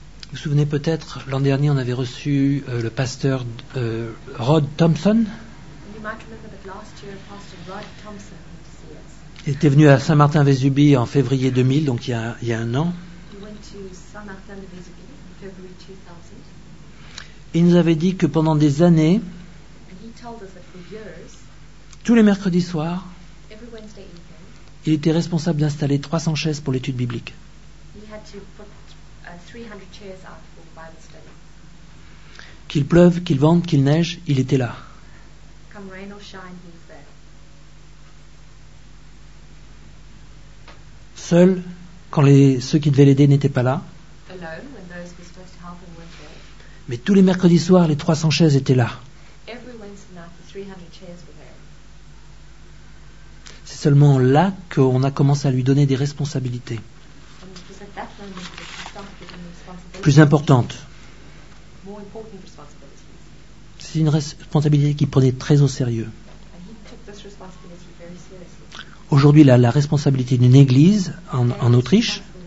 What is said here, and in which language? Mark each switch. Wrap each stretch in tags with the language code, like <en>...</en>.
<fr>Vous vous souvenez peut-être, l'an dernier, on avait reçu le pasteur Rod Thompson.</fr> <en>You might remember that last year, Pastor Rod Thompson</en> <fr>Il était venu à Saint-Martin-Vésubie en février 2000, donc il y a un an.</fr> <en>He went to Saint-Martin-Vésubie in February 2000.</en> <fr>Il nous avait dit que pendant des années,</fr> <en>And he told us that for years,</en> <fr>tous les mercredis soirs,</fr> <en>every Wednesday evening,</en> <fr>il était responsable d'installer 300 chaises pour l'étude biblique.</fr> <en>He had to put 300 chairs out for Bible study.</en> <fr>Qu'il pleuve, qu'il vente, qu'il neige, il était là.</fr> <en>Come rain or shine, he's there.</en> <fr>Seul, quand ceux qui devaient l'aider n'étaient pas là.</fr> <en>Alone, when those were supposed to help him weren't there.</en> <fr>Mais tous les mercredis soirs, les 300 chaises étaient là.</fr> <en>Every Wednesday night, the 300 chairs were there.</en> <fr>C'est seulement là qu'on a commencé à lui donner des responsabilités.</fr> <en>And it was at that moment that he started giving responsibilities.</en> <fr>Plus importantes.</fr> <en>More important responsibilities.</en> <fr>C'est une responsabilité qu'il prenait très au sérieux.</fr> <en>And he took this responsibility very seriously.</en> <fr>Aujourd'hui, la responsabilité d'une église en Autriche.</fr>